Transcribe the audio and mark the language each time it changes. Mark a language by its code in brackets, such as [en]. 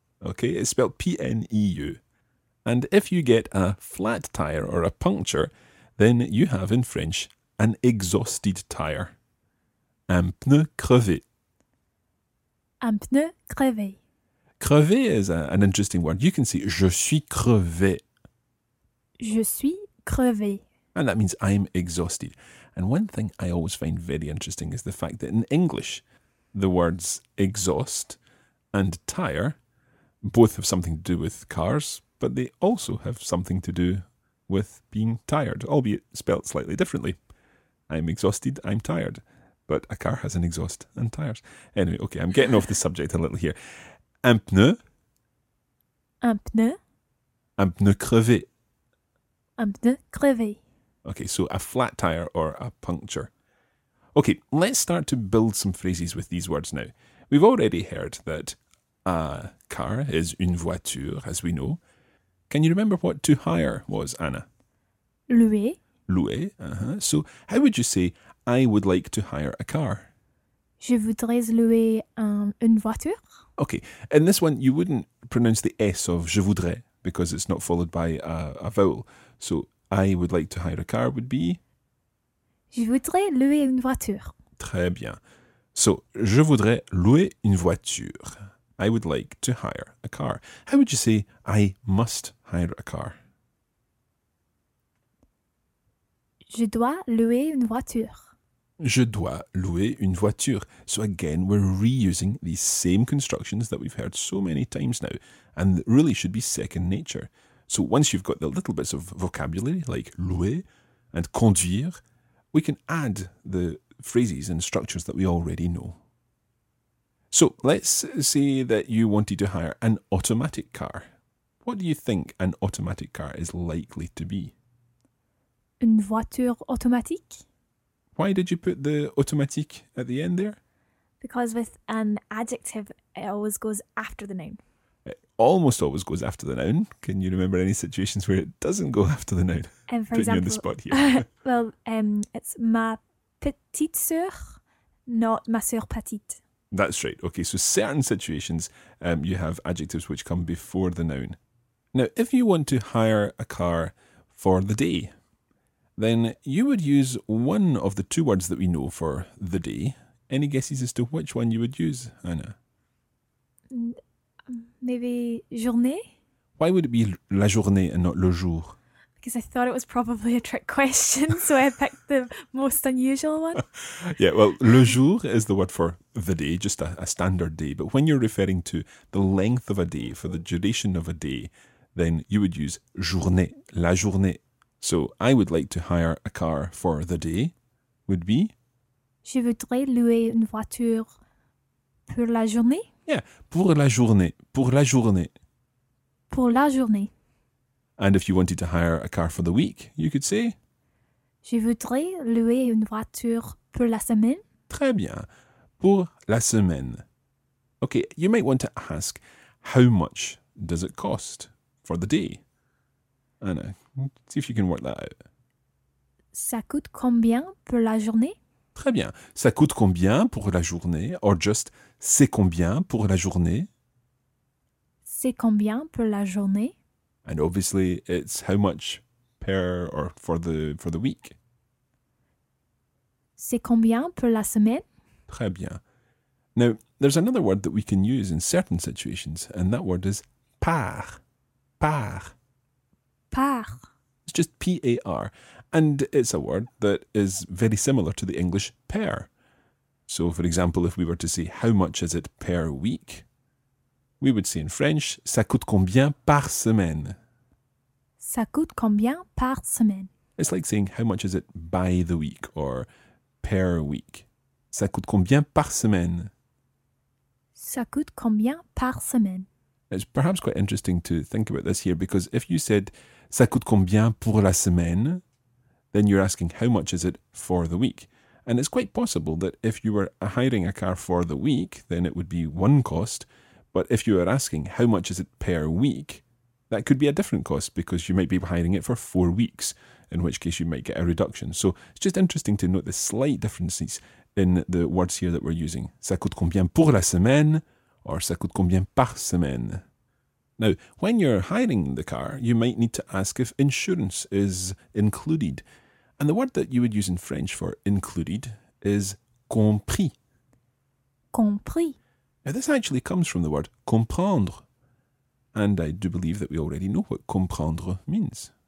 [en] Okay, it's spelled P-N-E-U. And if you get a flat tire or a puncture, then you have in French an exhausted tire. [fr] Un pneu crevé. Un pneu crevé. [en] Crevé is an interesting word. You can say [fr] je suis crevé. Je suis crevé. [en] And that means I'm exhausted. And one thing I always find very interesting is the fact that in English, the words exhaust and tire both have something to do with cars, but they also have something to do with being tired, albeit spelt slightly differently. I'm exhausted, I'm tired. But a car has an exhaust and tires. Anyway, okay, I'm getting off the subject a little here. [fr] Un pneu. Un pneu. Un pneu crevé. Un pneu crevé. [en] Okay, so a flat tire or a puncture. Okay, let's start to build some phrases with these words now. We've already heard that a car is [fr] une voiture, [en] as we know. Can you remember what to hire was, Anna? [fr] Louer. Louer, uh-huh. [en] So how would you say, I would like to hire a car? [fr] Je voudrais louer une voiture. [en] Okay, in this one, you wouldn't pronounce the S of [fr] je voudrais [en] because it's not followed by a vowel. So I would like to hire a car would be? [fr] Je voudrais louer une voiture. Très bien. So, je voudrais louer une voiture. [en] I would like to hire a car. How would you say, I must hire a car? [fr] Je dois louer une voiture. Je dois louer une voiture. [en] So again, we're reusing these same constructions that we've heard so many times now, and really should be second nature. So once you've got the little bits of vocabulary, like louer and conduire, we can add the phrases and structures that we already know. So let's say that you wanted to hire an automatic car. What do you think an automatic car is likely to be? [fr] Une voiture automatique. [en] Why did you put the automatique at the end there? Because with an adjective, it always goes after the noun. It almost always goes after the noun. Can you remember any situations where it doesn't go after the noun? For example, you on the spot here. it's [fr] ma petite sœur, [en] not [fr] ma sœur petite. [en] That's right. Okay, so certain situations, you have adjectives which come before the noun. Now, if you want to hire a car for the day, then you would use one of the two words that we know for the day. Any guesses as to which one you would use, Anna? Maybe journée? Why would it be [fr] la journée [en] and not [fr] le jour? [en] Because I thought it was probably a trick question, so I picked the most unusual one. Yeah, well, [fr] le jour [en] is the word for the day, just a standard day. But when you're referring to the length of a day, for the duration of a day, then you would use journée, [fr] la journée. [en] So, I would like to hire a car for the day would be? [fr] Je voudrais louer une voiture pour la journée. Yeah, pour la journée, pour la journée. Pour la journée. [en] And if you wanted to hire a car for the week, you could say? [fr] Je voudrais louer une voiture pour la semaine. Très bien, pour la semaine. [en] Okay, you might want to ask, how much does it cost for the day? Anna, see if you can work that out. [fr] Ça coûte combien pour la journée? Très bien. Ça coûte combien pour la journée? [en] Or just, [fr] c'est combien pour la journée? C'est combien pour la journée? [en] And obviously, it's how much per or for the week. [fr] C'est combien pour la semaine? Très bien. [en] Now, there's another word that we can use in certain situations, and that word is par. [fr] Par. Par. [en] It's just P-A-R. And it's a word that is very similar to the English per. So, for example, if we were to say, how much is it per week? We would say in French, [fr] ça coûte combien par semaine? Ça coûte combien par semaine? [en] It's like saying, how much is it by the week or per week? [fr] Ça coûte combien par semaine? Ça coûte combien par semaine? [en] It's perhaps quite interesting to think about this here because if you said, [fr] ça coûte combien pour la semaine? [en] Then you're asking, how much is it for the week? And it's quite possible that if you were hiring a car for the week, then it would be one cost. But if you are asking, how much is it per week? That could be a different cost because you might be hiring it for 4 weeks, in which case you might get a reduction. So it's just interesting to note the slight differences in the words here that we're using. [fr] Ça coûte combien pour la semaine? [en] Or [fr] ça coûte combien par semaine? [en] Now, when you're hiring the car, you might need to ask if insurance is included. And the word that you would use in French for included is compris. [fr] Compris. [en] Now, this actually comes from the word comprendre. And I do believe that we already know what comprendre means.